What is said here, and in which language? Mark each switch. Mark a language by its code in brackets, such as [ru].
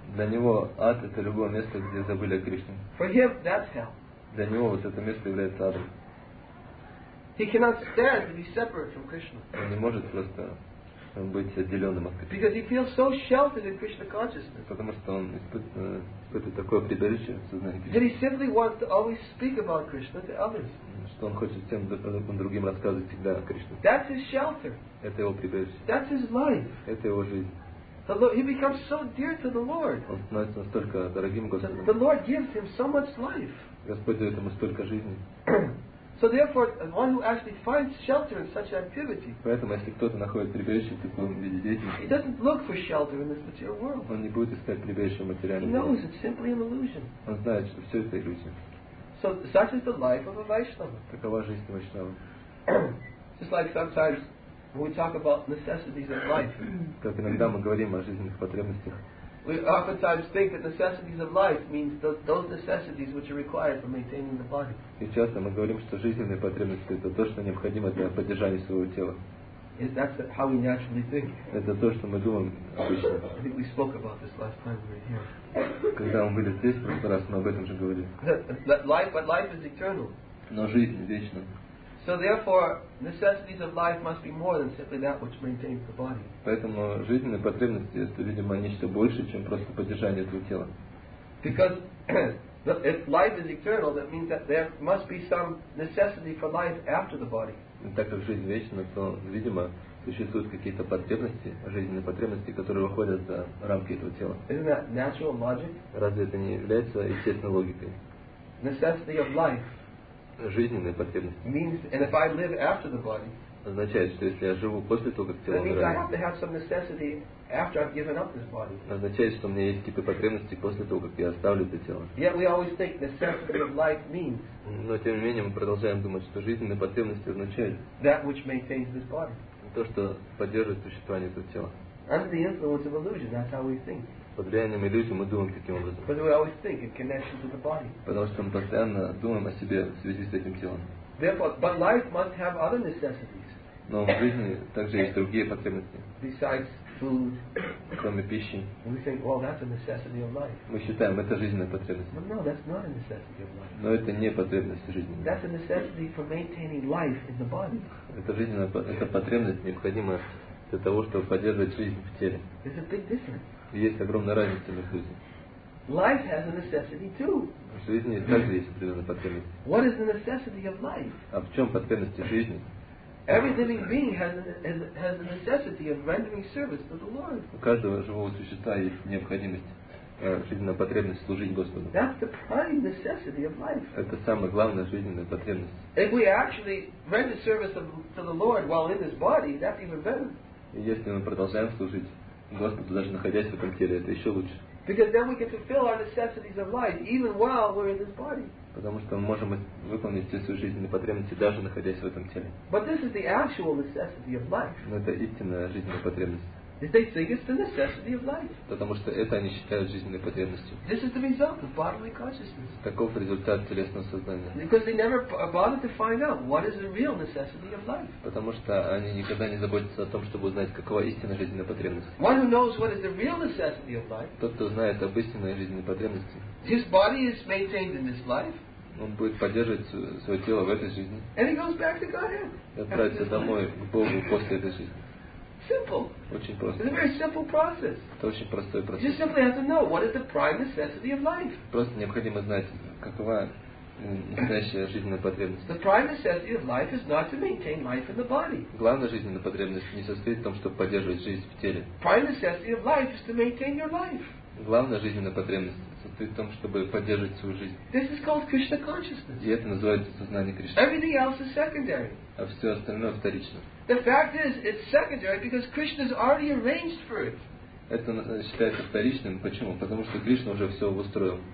[ru] Для него ад — это любое место, где забыли о Кришне. [en] For him, that's hell. [ru] Для него вот это место является адом. [en] He cannot stand to be separate from Krishna. [ru] Он не может просто быть отделенным от Кришны. [en] Because he feels so sheltered in Krishna consciousness. [ru] Потому что он испытывает такое прибежище в сознании Кришны. [en] That he simply wants to always speak about Krishna to others. [ru] Что он хочет всем другим рассказывать всегда о Кришне. [en] That's his shelter. [ru] Это его прибежище. [en] That's his life. [ru] Это его жизнь. [en] The Lord, he becomes so dear to the Lord. [ru] Он становится настолько дорогим Господом. [en] The Lord gives him so much life. [ru] Господь дает ему столько жизни. [en] So therefore, one who actually finds shelter in such activity. [ru] Поэтому, если кто-то находит прибежище в таком виде деятельности, [en] he doesn't look for shelter in this material world. [ru] Он не будет искать прибежище в материальном мире. [en] He knows it's simply an illusion. [ru] Он знает, что все это иллюзия. [en] So such is the life of a Vaishnava. [ru] Такова жизнь Вайшнава. [en] Just like sometimes when we talk about necessities of life. [ru] Как иногда мы говорим о жизненных потребностях. [en] We oftentimes think that necessities of life means those necessities which are required for maintaining the body. [ru] И часто мы говорим, что жизненные потребности — это то, что необходимо для поддержания своего тела. [en] Is that how we naturally think? [ru] Это то, что мы думаем обычно. [en] I think we spoke about this last time we were here. [ru] Когда мы были здесь, в прошлый раз мы об этом же говорили. [en] But life is eternal. [ru] Но жизнь вечна. [en] So therefore, necessities of life must be more than simply that which maintains the body. [ru] Поэтому жизненные потребности — это, видимо, нечто большее, чем просто поддержание этого тела. [en] Because if life is eternal, that means that there must be some necessity for life after the body. [ru] Так как жизнь вечна, то, видимо, существуют какие-то потребности, жизненные потребности, которые выходят за рамки этого тела. [en] Isn't that natural logic? [ru] Разве это не является естественной логикой? [en] Necessity of life. [ru] Жизненные потребности. [en] Means, and if I live after the body, [ru] означает, что если я живу после того, как тело умирает, [en] I have to have some necessity after I've given up this body. [ru] Означает, что у меня есть какие-то потребности после того, как я оставлю это тело. [en] Yet we always think necessity of life means. [ru] Но тем не менее мы продолжаем думать, что жизненные потребности означают [en] that which maintains this body. [ru] То, что поддерживает существование этого тела. [en] Under the influence of illusion, that's how we think. [ru] Под влиянием иллюзий мы думаем таким образом. [en] But we always think in connection to the body. [ru] Потому что мы постоянно думаем о себе в связи с этим телом. [en] Therefore, but life must have other necessities. [ru] Но в жизни также есть другие потребности. [en] Besides food. [ru] Кроме пищи. [en] And we think, well, that's a necessity of life. [ru] Мы считаем, это жизненная потребность. [en] But no, that's not a necessity of life. [ru] Но это не потребность жизни. [en] That's a necessity for maintaining life in the body. [ru] Это жизненная, это потребность, необходимая для того, чтобы поддерживать жизнь в теле. [en] There's a big difference. [ru] Есть огромная разница между людьми. [en] Life has a necessity too. [ru] В жизни также есть определенная потребность. [en] What is the necessity of life? [ru] А в чем потребность жизни? [en] Every living being has a necessity of rendering service to the Lord. [ru] У каждого живого существа есть необходимость, жизненная потребность служить Господу. [en] That's the prime necessity of life. [ru] Это самая главная жизненная потребность. [en] If we actually render service to the Lord while in this body, that's even better. [ru] И если мы продолжаем служить Господу, даже находясь в этом теле, это еще лучше. [en] Because then we can fulfill our necessities of life, even while we're in this body. [ru] Потому что мы можем выполнить все свои жизненные потребности, даже находясь в этом теле. [en] But this is the actual necessity of life. [ru] Но это истинная жизненная потребность. [en] They think it's the necessity of life. [ru] Потому что это они считают жизненной потребностью. [en] This is the result of bodily consciousness. [ru] Таков результат телесного сознания. [en] Because they never bothered to find out what is the real necessity of life. [ru] Потому что они никогда не заботятся о том, чтобы узнать, какова истинная жизненная потребность. [en] One who knows what is the real necessity of life. [ru] Тот, кто знает об истинной жизненной потребности. [en] His body is maintained in this life. [ru] Он будет поддерживать свое тело в этой жизни. [en] And he goes back to Godhead. [ru] И отправится домой к Богу после этой жизни. [en] Simple. [ru] Очень просто. [en] It's a very simple process. [ru] Это очень простой процесс. [en] You simply have to know what is the prime necessity of life. [ru] Просто необходимо знать, какова настоящая жизненная потребность. [en] The prime necessity of life is not to maintain life in the body. [ru] Главная жизненная потребность не состоит в том, чтобы поддерживать жизнь в теле. [en] Prime necessity of life is to maintain your life. [ru] Главная жизненная потребность состоит в том, чтобы поддерживать свою жизнь. [en] This is called Krishna consciousness. [ru] И это называется сознание Кришны. [en] Everything else is secondary. [ru] А все остальное вторично. [en] The fact is, it's secondary because Krishna's already arranged for it. [ru] Это считается вторичным. Почему? Потому что Кришна уже все устроил.